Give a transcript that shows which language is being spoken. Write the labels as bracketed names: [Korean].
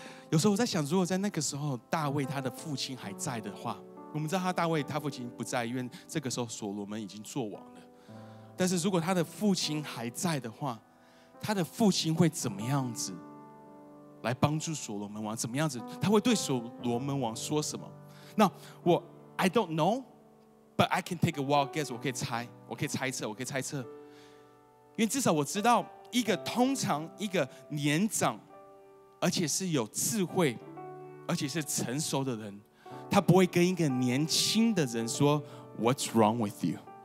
[Chinese] 有时候我在想，如果在那个时候大卫他的父亲还在的话，我们知道他大卫他父亲不在，因为这个时候所罗门已经作王了，但是如果他的父亲还在的话，他的父亲会怎么样子来帮助所罗门王？怎么样子他会对所罗门王说什么？那我 [English] I don't know, but I can take a wild guess. [Chinese] 我可以猜，我可以猜测，我可以猜测。因为至少我知道，一个通常一个年长，而且是有智慧，而且是成熟的人，他不会跟一个年轻的人说 [English] "What's wrong with you？"